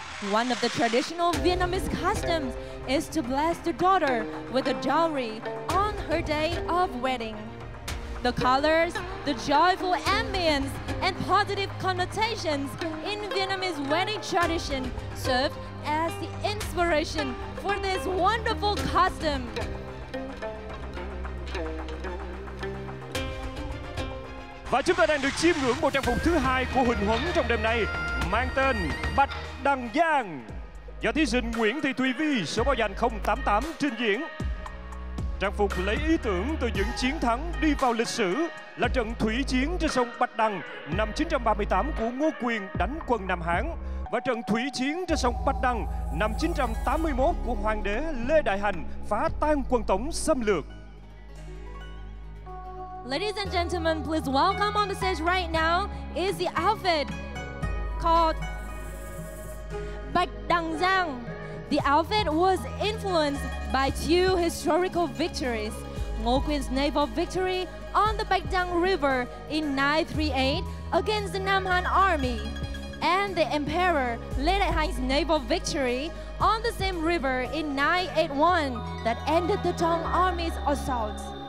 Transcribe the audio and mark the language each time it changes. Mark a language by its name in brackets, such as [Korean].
[English] One of the traditional Vietnamese customs is to bless the daughter with a dowry on her day of wedding. The colors, the joyful ambience, and positive connotations in Vietnamese wedding tradition serve as the inspiration for this wonderful custom. [Vietnamese] Và chúng ta đang được chiêm ngưỡng bộ trang phục thứ hai của Huỳnh Huấn trong đêm nay, mang tên Bạch Đằng Giang, do thí sinh Nguyễn Thị Thùy Vi, số báo danh 088 trình diễn. Trang phục lấy ý tưởng từ những chiến thắng đi vào lịch sử là trận thủy chiến trên sông Bạch Đằng năm 938 của Ngô Quyền đánh quân Nam Hán, và trận thủy chiến trên sông Bạch Đằng năm 981 của Hoàng đế Lê Đại Hành phá tan quân Tống xâm lược. [English] Ladies and gentlemen, please welcome on the stage right now is the outfit called Bạch Đằng Giang. The outfit was influenced by two historical victories, Ngô Quyền's naval victory on the Bạch Đằng River in 938 against the Nam Han army, and the Emperor Lê Đại Hành's naval victory on the same river in 981 that ended the Tang army's assault.